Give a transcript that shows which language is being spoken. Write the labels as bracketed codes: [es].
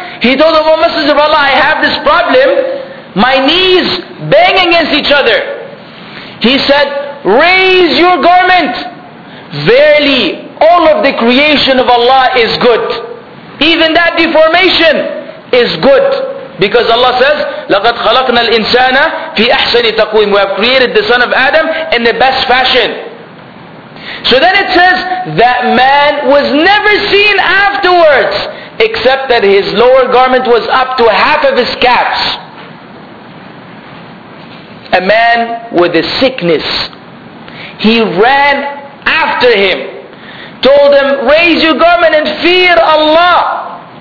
[en] He told the Messenger of Allah, I have this problem. My knees bang against each other. He said, raise your garment. Verily, all of the creation of Allah is good. Even that deformation is good. Because Allah says, [ar] لَقَدْ خَلَقْنَا الْإِنسَانَ فِي أَحْسَنِ تَقْوِيمٍ. [en] We have created the son of Adam in the best fashion. So then it says, that man was never seen afterwards, except that his lower garment was up to half of his calves. A man with a sickness. He ran after him, told him, raise your garment and fear Allah.